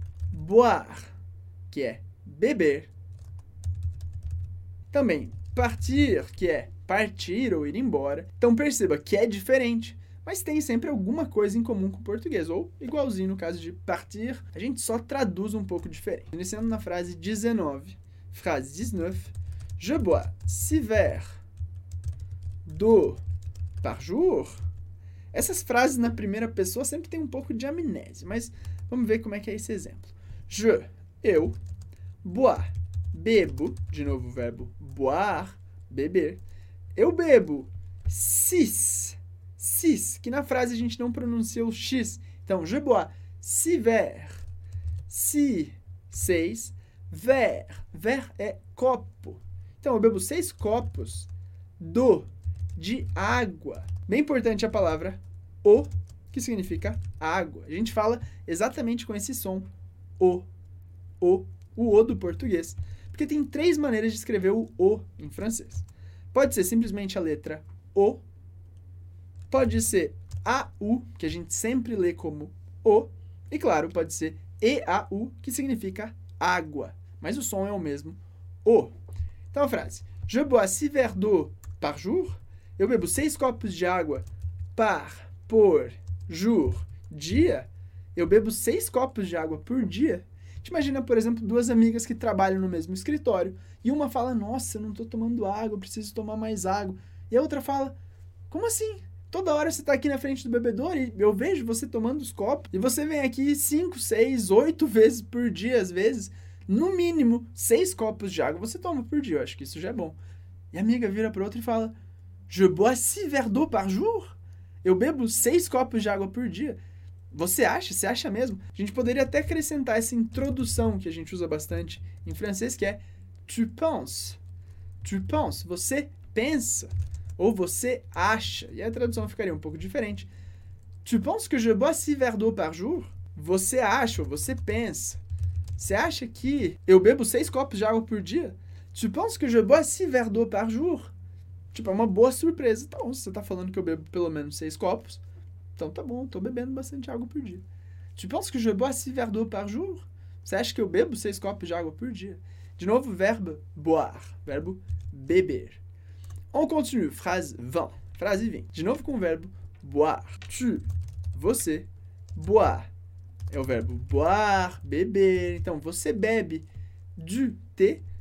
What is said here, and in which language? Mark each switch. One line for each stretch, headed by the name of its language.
Portuguese: Boire, que é beber. Também partir, que é partir ou ir embora. Então perceba que é diferente, mas tem sempre alguma coisa em comum com o português, ou igualzinho no caso de partir, a gente só traduz um pouco diferente. Iniciando na frase 19, frase 19,
French: je bois 6 verres d'eau par jour.
Portuguese: Essas frases na primeira pessoa sempre tem um pouco de amnésia, mas vamos ver como é que é esse exemplo. Je, eu, bois, bebo, de novo o verbo boire, beber. Eu bebo 6, que na frase a gente não pronuncia o X. Então,
French: je bois 6 verres,
Portuguese: 6, verre, verre é copo. Então, eu bebo 6 copos de água. Bem importante a palavra o, que significa água. A gente fala exatamente com esse som, o. O do português. Porque tem três maneiras de escrever o em francês. Pode ser simplesmente a letra O. Pode ser A-U, que a gente sempre lê como O. E claro, pode ser E-A-U, que significa água. mas o som é o mesmo, o. Então, a frase.
French: Je bois 6 verres d'eau par jour.
Portuguese: Eu bebo 6 copos de água par, por, jour, dia. Eu bebo 6 copos de água por dia. Imagina, por exemplo, duas amigas que trabalham no mesmo escritório e uma fala, nossa, eu não estou tomando água, eu preciso tomar mais água. E a outra fala, como assim? Toda hora você está aqui na frente do bebedouro e eu vejo você tomando os copos e você vem aqui 5, 6, 8 vezes por dia, às vezes, no mínimo 6 copos de água você toma por dia, eu acho que isso já é bom. E a amiga vira para outra e fala,
French: je bois 6 verres d'eau par jour?
Portuguese: Eu bebo 6 copos de água por dia. Você acha? Você acha mesmo? A gente poderia até acrescentar essa introdução que a gente usa bastante em francês, que é
French: tu penses. Tu penses.
Portuguese: Você pensa. Ou você acha. E a tradução ficaria um pouco diferente.
French: Tu penses que je bois 6 verres d'eau par jour?
Portuguese: Você acha ou você pensa. Você acha que eu bebo 6 copos de água por dia?
French: Tu penses que je bois 6 verres d'eau par jour?
Portuguese: Tipo, é uma boa surpresa. Então, você tá falando que eu bebo pelo menos 6 copos. Então tá bom, tô bebendo bastante água por dia.
French: Tu penses que je bois 6 verres d'eau par jour?
Portuguese: Você acha que eu bebo 6 copos de água por dia? De novo, verbo boire. Verbo beber.
French: On continue, phrase 20. Phrase 20.
Portuguese: De novo com o verbo boire. Tu, você, boire. É o verbo boire, beber. Então, você bebe
French: du thé.